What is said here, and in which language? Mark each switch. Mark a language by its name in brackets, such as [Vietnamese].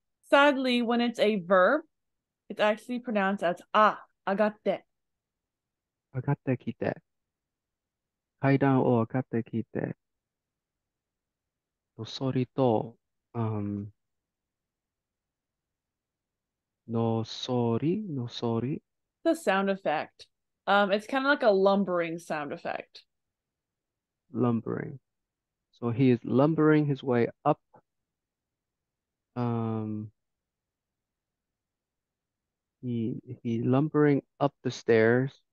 [English] Sadly, when it's a verb, it's actually pronounced as a, agatte. [Japanese] 上がってきて、階段を上がってきて、のそりと、のそり、のそり。 [English] The sound effect. It's kind of like a lumbering sound effect. Lumbering. So he is lumbering his way up. He lumbering up the stairs.